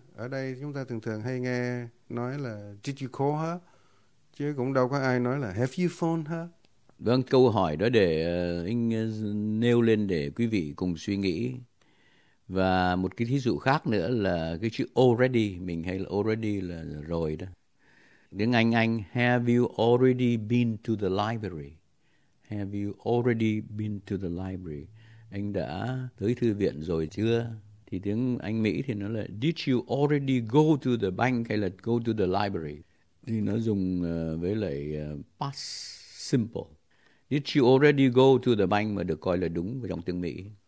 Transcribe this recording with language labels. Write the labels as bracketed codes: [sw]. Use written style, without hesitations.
[vi] Ở đây chúng ta thường thường hay nghe nói là [en] did you call her? [vi] Chứ cũng đâu có ai nói là [en] have you phoned her? [vi] Vâng, câu hỏi đó để anh nêu lên để quý vị cùng suy nghĩ. Và một cái thí dụ khác nữa là cái chữ already, mình hay là already là rồi đó. Tiếng Anh, [en] have you already been to the library? Have you already been to the library? [vi] Anh đã tới thư viện rồi chưa? Thì tiếng Anh Mỹ thì nó là [en] did you already go to the bank [vi] hay là [en] go to the library? [vi] Thì nó dùng với lại past simple. [en] Did you already go to the bank [vi] mà được coi là đúng trong tiếng Mỹ.